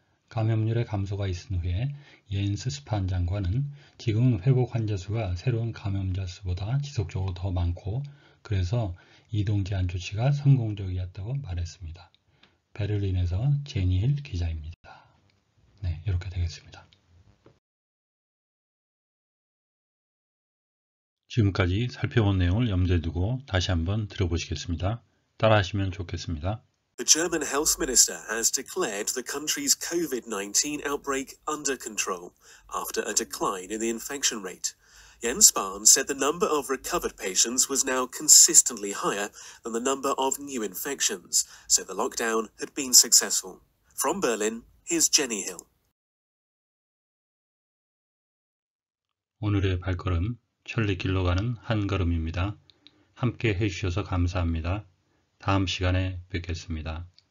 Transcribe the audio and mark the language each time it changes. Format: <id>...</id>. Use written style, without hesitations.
<ko>감염률의 감소가 있은 후에 옌스 스판 장관은 지금은 회복 환자 수가 새로운 감염자 수보다 지속적으로 더 많고 그래서 이동 제한 조치가 성공적이었다고 말했습니다. 베를린에서 제니힐 기자입니다. 네, 이렇게 되겠습니다. 지금까지 살펴본 내용을 염두에 두고 다시 한번 들어보시겠습니다. 따라하시면 좋겠습니다.</ko> <en>The German health minister has declared the country's COVID-19 outbreak under control after a decline in the infection rate. Jens Spahn said the number of recovered patients was now consistently higher than the number of new infections, so the lockdown had been successful. From Berlin, here's Jenny Hill.</en> <ko>오늘의 발걸음, 천리길로 가는 한걸음입니다. 함께 해주셔서 감사합니다. 다음 시간에 뵙겠습니다.</ko>